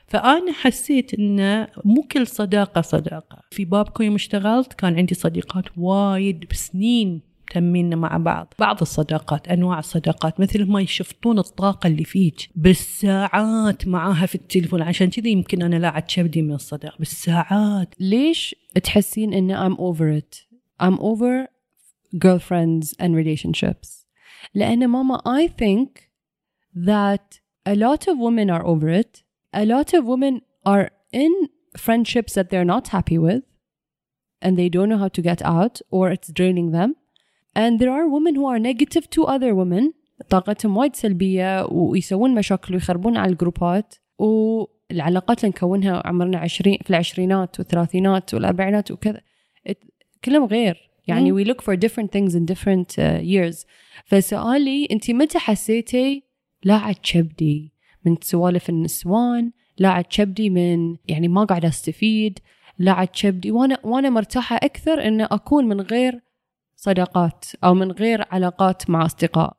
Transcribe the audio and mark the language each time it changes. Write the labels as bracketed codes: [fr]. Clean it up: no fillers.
[ar] فأنا حسيت إن مو كل صداقة صداقة. في بابكو يوم اشتغلت كان عندي صديقات وايد بسنين تمينا مع بعض بعض الصداقات، أنواع الصداقات، مثل ما يشفطون الطاقة اللي فيك بالساعات معاها في التليفون. عشان كذي يمكن أنا لاعت شبدي من الصداق بالساعات. ليش تحسين إن [en] I'm over it, I'm over girlfriends and relationships؟ [ar] لأن ماما [en] I think that a lot of women are over it. A lot of women are in friendships that they're not happy with and they don't know how to get out, or it's draining them. And there are women who are negative to other women. [ar] طاقتهم وايد سلبية ويسوون مشاكل ويخربون على الجروبات. والعلاقات اللي نكونها عمرنا عشرين في العشرينات والثلاثينات والأربعينات وكذا كلهم غير. [en] يعني we look for different things in different years. [ar] فسؤالي أنت متى حسيتي لا عتشبدي من سوالف النسوان؟ لا عتشبدي من يعني ما قاعد أستفيد؟ لا عتشبدي وأنا مرتاحة أكثر إن أكون من غير صداقات أو من غير علاقات مع أصدقاء؟